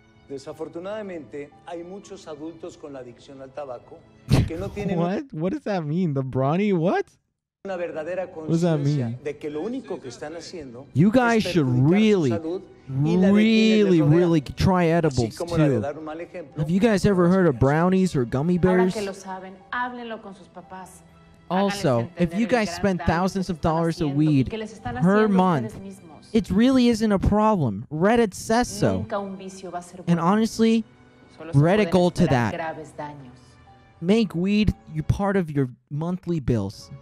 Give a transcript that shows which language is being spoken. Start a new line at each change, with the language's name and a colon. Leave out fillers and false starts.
Spanish: Desafortunadamente, hay muchos adultos con la adicción al tabaco que no tienen.
English: What? What does that mean? The brawny? What?
Spanish: Una verdadera conciencia de que lo único que están haciendo.
English: You guys should really, really, really try edibles too. Have you guys ever heard of brownies or gummy bears?
Spanish: Ahora que lo saben, háblenlo con sus papás.
English: Also, if you guys spend thousands of dollars a weed per month, it really isn't a problem. Reddit says so. And honestly, Reddit gold to that. Make weed your part of your monthly bills.